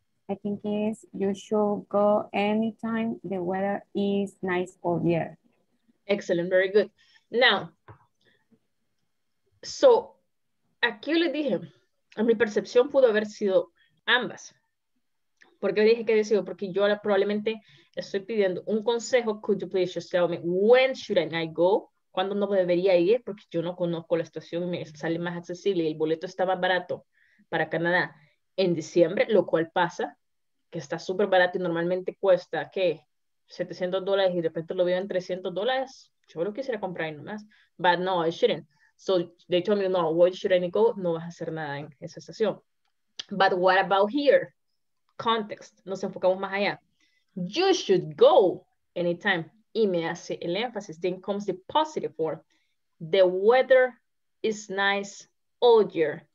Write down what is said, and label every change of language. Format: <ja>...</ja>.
<en>I think is you should go anytime the weather is nice or here. Excellent, very good.</en> <es>Now, so, aquí les dije, en mi percepción pudo haber sido ambas. ¿Por qué dije que había sido? Porque yo probablemente estoy pidiendo un consejo.</es> <en>Could you please just tell me, when should I go?</en> <es>¿Cuándo no debería ir? Porque yo no conozco la estación y me sale más accesible. Y el boleto está más barato para Canadá en diciembre, lo cual pasa, que está súper barato y normalmente cuesta, ¿qué? $700 y de repente lo veo en $300. Yo lo quisiera comprar y no más.</es> <en>But no, I shouldn't. So they told me, no, where should I go?</en> <es>No vas a hacer nada en esa estación.</es> <en>But what about here? Context.</en> <es>Nos enfocamos más allá.</es> <en>You should go anytime.</en> <es>Y me hace el énfasis.</es> <en>Then comes the positive form. The weather is nice all year.</en>